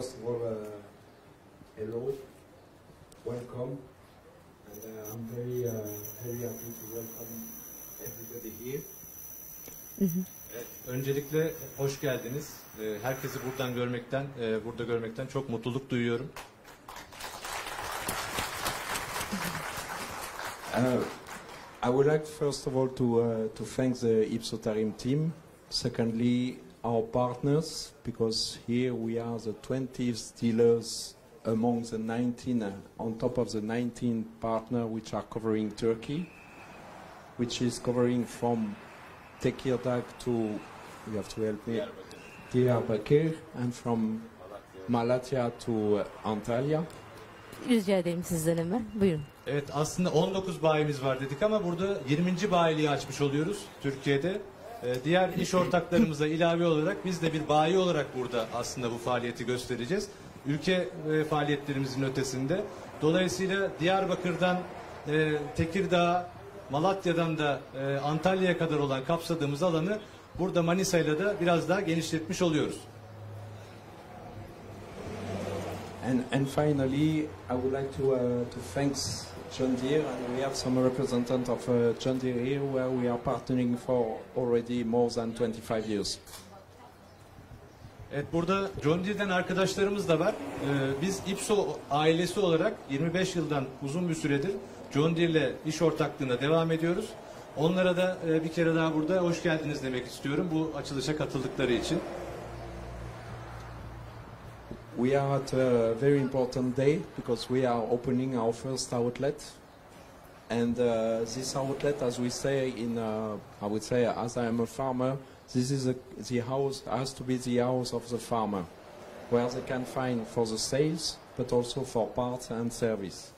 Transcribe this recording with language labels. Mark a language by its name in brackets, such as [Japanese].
[English] First of all, hello, welcome, and I'm very very happy to welcome everybody here. [Turkish] Öncelikle hoş geldiniz. Herkesi buradan görmekten, burada görmekten çok mutluluk duyuyorum. [English] I would like first of all to thank the IPSO Tarim team. Secondly, our partners, because here we are the 20th dealers among the 19, on top of the 19 partners which are covering Turkey, which is covering from Tekirdağ to, you have to help me, Diyarbakir, and from Malatya to Antalya. [Turkish] Rica edeyim sizden hemen. Buyurun. Evet, aslında 19 bayimiz var dedik ama burada 20. bayiliği açmış oluyoruz Türkiye'de. Diğer iş ortaklarımıza ilave olarak biz de bir bayi olarak burada aslında bu faaliyeti göstereceğiz. Ülke faaliyetlerimizin ötesinde. Dolayısıyla Diyarbakır'dan Tekirdağ, Malatya'dan da Antalya'ya kadar olan kapsadığımız alanı burada Manisa'yla da biraz daha genişletmiş oluyoruz. [English] And finally, I would like to thanks John Deere, and we have some representatives of John Deere here where we are partnering for already more than 25 years. [Turkish] Evet, burada John Deere'den arkadaşlarımız da var. Biz IPSO ailesi olarak 25 yıldan uzun bir süredir John Deere'le iş ortaklığına devam ediyoruz. Onlara da bir kere daha burada hoş geldiniz demek istiyorum bu açılışa katıldıkları için. [English] We are at a very important day because we are opening our first outlet, and this outlet, as we say in, I would say, as I am a farmer, this is the house has to be the house of the farmer, where they can find for the sales, but also for parts and service.